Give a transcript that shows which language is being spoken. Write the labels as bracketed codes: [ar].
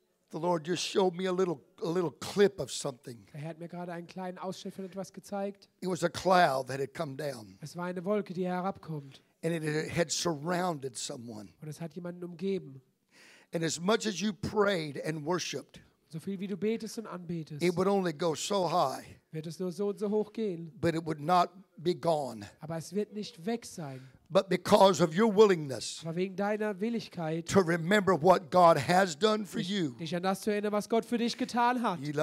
[en] the Lord just showed me a little clip of something. [de] Er hat mir gerade einen kleinen Ausschnitt von etwas gezeigt. [en] It was a cloud that had come down. [de] Es war eine Wolke, die herabkommt. [en] And it had surrounded someone. [de] Und es hat jemanden umgeben. [en] And as much as you prayed and worshipped, [de] so viel wie du betest und anbetest, [en] it would only go so high. [de] Wird es nur so und so hoch gehen. [en] But it would not be gone. [de] Aber es wird nicht weg sein. [en] But because of your willingness, [de] aber wegen deiner Willigkeit, [en] to remember what God has done for you, [de] dich an das zu erinnern, was Gott für dich getan hat.